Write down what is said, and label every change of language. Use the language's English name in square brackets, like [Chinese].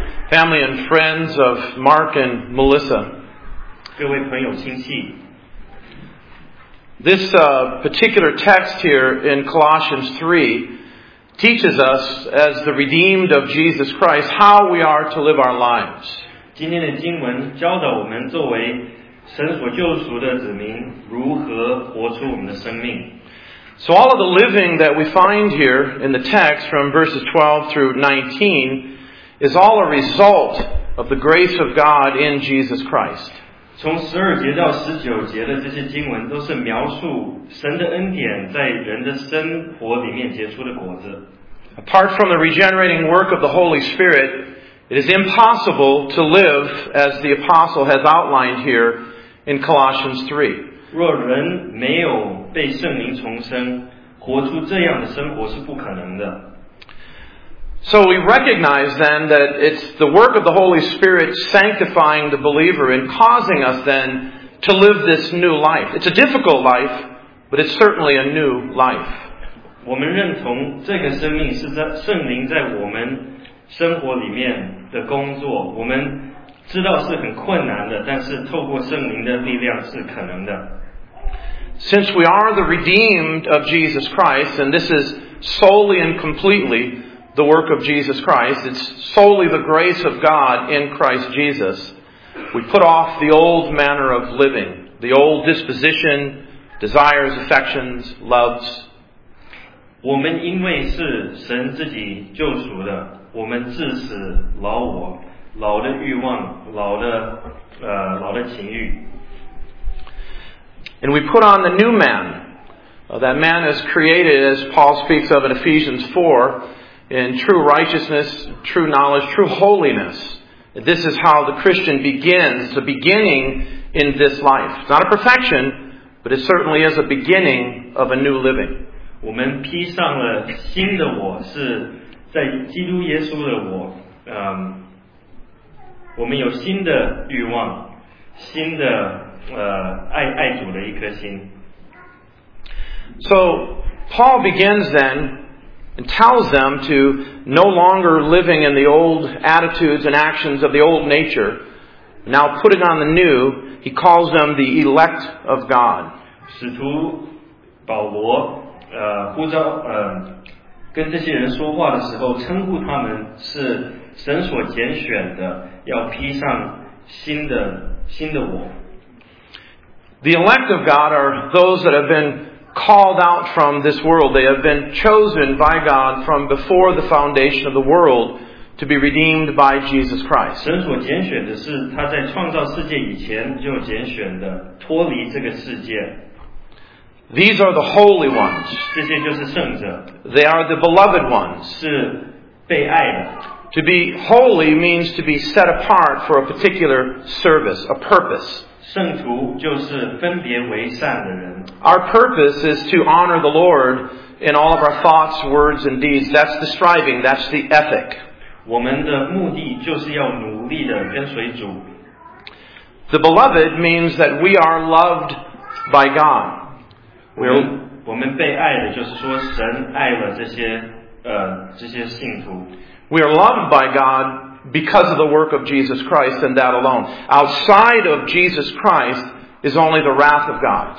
[English] family and friends of Mark and Melissa. [Chinese] 各位朋友亲戚。 [English] This particular text here in Colossians 3 teaches us, as the redeemed of Jesus Christ, how we are to live our lives. [Chinese] 今天的经文教导我们作为神所救赎的子民如何活出我们的生命。 [English] So all of the living that we find here in the text from verses 12 through 19 is all a result of the grace of God in Jesus Christ. [Chinese] 从12节到19节的这些经文都是描述神的恩典在人的生活里面结出的果子。 [English] Apart from the regenerating work of the Holy Spirit, it is impossible to live as the apostle has outlined here in Colossians 3. [Chinese] 若人没有被圣灵重生，活出这样的生活是不可能的。 [English] So we recognize then that it's the work of the Holy Spirit sanctifying the believer and causing us then to live this new life. It's a difficult life, but it's certainly a new life. [Chinese] 我们认同这个生命是在圣灵在我们生活里面的工作，我们知道是很困难的，但是透过圣灵的力量是可能的。 [English] Since we are the redeemed of Jesus Christ, and this is solely and completely the work of Jesus Christ, it's solely the grace of God in Christ Jesus, we put off the old manner of living, the old disposition, desires, affections, loves. [Chinese] 我们因为是神自己救赎的，我们致死老我。老的欲望，老的情欲。 [English] And we put on the new man. That man is created, as Paul speaks of in Ephesians 4, in true righteousness, true knowledge, true holiness. This is how the Christian begins, the beginning in this life. It's not a perfection, but it certainly is a beginning of a new living. [Chinese] 我们披上了新的我，是在基督耶稣的我。我们有新的欲望，新的爱主的一颗心。 [English] So Paul begins then and tells them to no longer living in the old attitudes and actions of the old nature. Now putting on the new, he calls them the elect of God. [Chinese] 使徒保罗呼召跟这些人说话的时候，称呼他们是。神所拣选的，要披上新的我。 [English] The elect of God are those that have been called out from this world. They have been chosen by God from before the foundation of the world to be redeemed by Jesus Christ. [Chinese] 神所拣选的是他在创造世界以前就拣选的，脱离这个世界。 [English] These are the holy ones. [Chinese] 这些就是圣者。 [English] They are the beloved ones. [Chinese] 是被爱的。 [English] To be holy means to be set apart for a particular service, a purpose. [Chinese] 圣徒就是分别为善的人。 [English] Our purpose is to honor the Lord in all of our thoughts, words, and deeds. That's the striving, that's the ethic. [Chinese] 我们的目的就是要努力地跟随主。 [English] The beloved means that we are loved by God. [Chinese] 我们被爱的就是说神爱了这些信徒。 [English] We are loved by God because of the work of Jesus Christ and that alone. Outside of Jesus Christ is only the wrath of God.